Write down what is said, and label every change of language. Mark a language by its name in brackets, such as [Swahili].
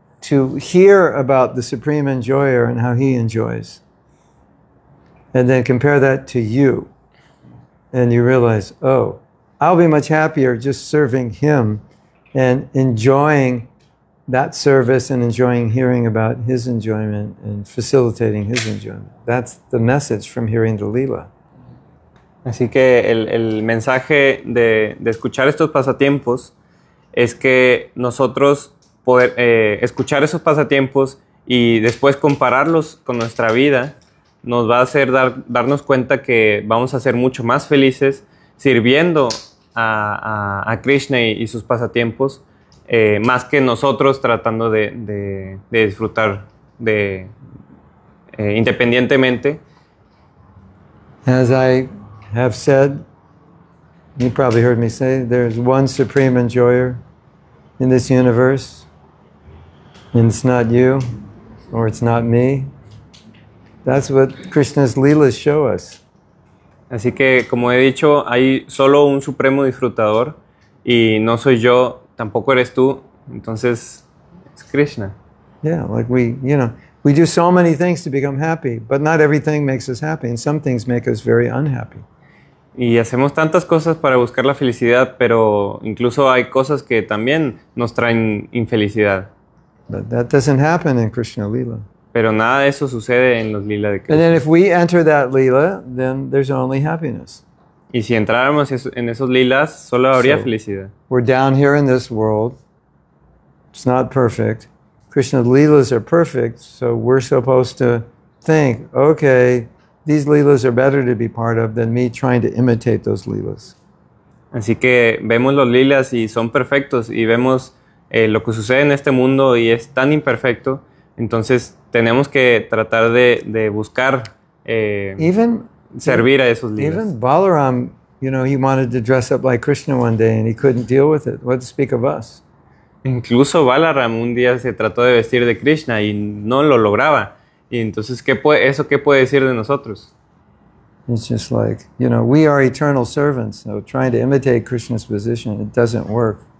[English] To hear about the supreme enjoyer and how he enjoys, and then compare that to you, and you realize, oh, I'll be much happier just serving him and enjoying that service and enjoying hearing about his enjoyment and facilitating his enjoyment. That's the message from hearing the Leela. [Spanish] Así que el mensaje de escuchar estos pasatiempos es que nosotros poder escuchar esos pasatiempos y después compararlos con nuestra vida nos va a hacer darnos cuenta que vamos a ser mucho más felices sirviendo a Krishna y sus pasatiempos. Más que nosotros tratando de disfrutar de independientemente. [English] As I have said, you probably heard me say, there's one supreme enjoyer in this universe, and it's not you, or it's not me. That's what Krishna's leelas show us. [Spanish] Así que, como he dicho, hay solo un supremo disfrutador, y no soy yo. Tampoco eres tú, entonces es Krishna. [English] Yeah, like we do so many things to become happy, but not everything makes us happy, and some things make us very unhappy. [Spanish] Y hacemos tantas cosas para buscar la felicidad, pero incluso hay cosas que también nos traen infelicidad. [English] But that doesn't happen in Krishna Leela. [Spanish] Pero nada de eso sucede en los Leela de Krishna. [English] And then if we enter that Leela, then there's only happiness. [Spanish] Y si entráramos en esos lilas, solo habría felicidad. [English] We're down here in this world. It's not perfect. Krishna's lilas are perfect, so we're supposed to think, okay, these lilas are better to be part of than me trying to imitate those lilas. [Spanish] Así que vemos los lilas y son perfectos y vemos lo que sucede en este mundo y es tan imperfecto. Entonces tenemos que tratar de buscar servir a esos líderes. [English] Even Balaram, you know, he wanted to dress up like Krishna one day and he couldn't deal with it. What to speak of us? [Spanish] Incluso Balaram un día se trató de vestir de Krishna y no lo lograba. Y entonces, ¿qué puede decir de nosotros? [English] It's just like, you know, we are eternal servants, so trying to imitate Krishna's position, it doesn't work.